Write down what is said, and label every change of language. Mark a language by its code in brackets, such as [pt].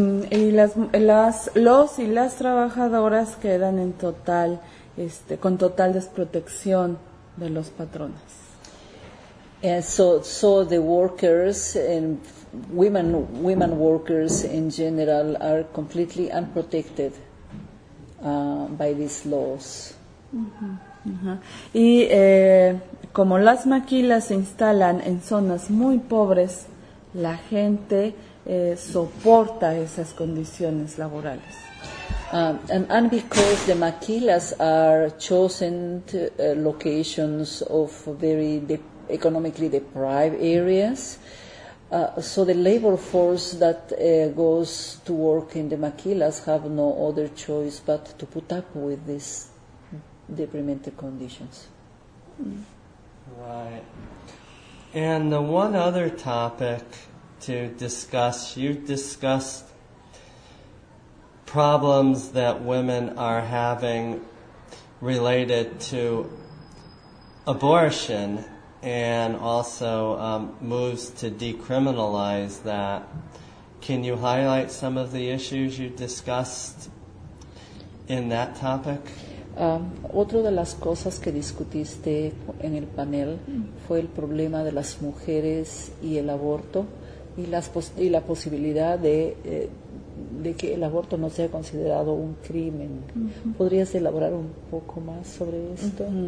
[es] Y los y las trabajadoras quedan en total, con total desprotección de los patrones. [en] And so the workers and women workers in general are completely unprotected by these laws. [es] Y como las maquilas se instalan en zonas muy pobres, la gente soporta esas condiciones laborales. [en] And because the maquilas are chosen locations of very economically deprived areas, so the labor force that goes to work in the maquilas have no other choice but to put up with these deprimente conditions. Right. And the one other topic to discuss, you discussed problems that women are having related to abortion and also moves to decriminalize that. Can you highlight some of the issues you discussed in that topic? [es] Otra de las cosas que discutiste en el panel fue el problema de las mujeres y el aborto. Y la posibilidad de que el aborto no sea considerado un crimen. ¿Podrías elaborar un poco más sobre esto?